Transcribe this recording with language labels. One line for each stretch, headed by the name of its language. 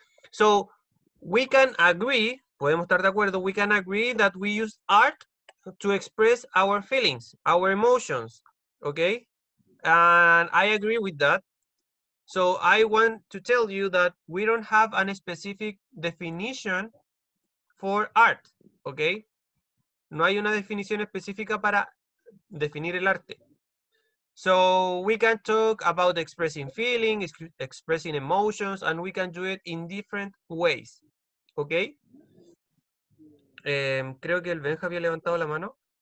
English: So we can agree,
Spanish: podemos estar de acuerdo,
English: we can agree that we use art to express our feelings, our emotions, okay? And I agree with that. So I want to tell you that we don't have a specific definition for art, okay?
Spanish: No hay una definición específica para definir el arte.
English: So we can talk about expressing feeling, expressing emotions, and we can do it in different ways, okay?
Spanish: Creo que el Benja había levantado la mano.